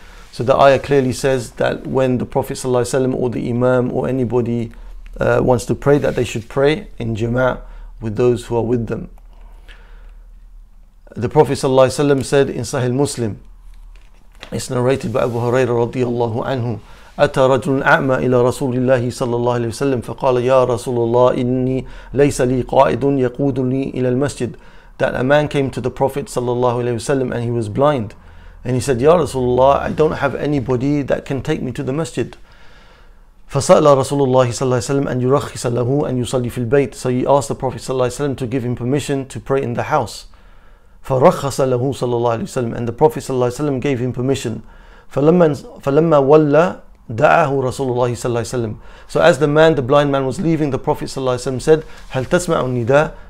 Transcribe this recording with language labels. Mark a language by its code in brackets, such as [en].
[en] So the ayah clearly says that when the Prophet ﷺ or the Imam or anybody wants to pray, that they should pray in Jama'ah with those who are with them. The Prophet ﷺ said in Sahih Muslim, It's narrated by Abu Huraira radiallahu anhu. [ar] أتى رجل أعمى إلى رسول الله صلى الله عليه وسلم فقال يا رسول الله إني ليس لي قائد يقودني إلى المسجد. [en] That a man came to the Prophet صلى الله عليه وسلم and he was blind. And he said, [ar] يا رسول الله, [en] I don't have anybody that can take me to the masjid. [ar] فسأل رسول الله صلى الله عليه وسلم أن يرخص له أن يصلي في البيت. [en] So he asked the Prophet صلى الله عليه وسلم to give him permission to pray in the house. [ar] فرخص له صلى الله عليه وسلم. [en] And the Prophet صلى الله عليه وسلم gave him permission. [ar] فلما ولى دعاه رسول الله صلى الله عليه وسلم. [en] So as the man, the blind man, was leaving, the Prophet صلى الله عليه وسلم said, [ar] هل تسمع النداء?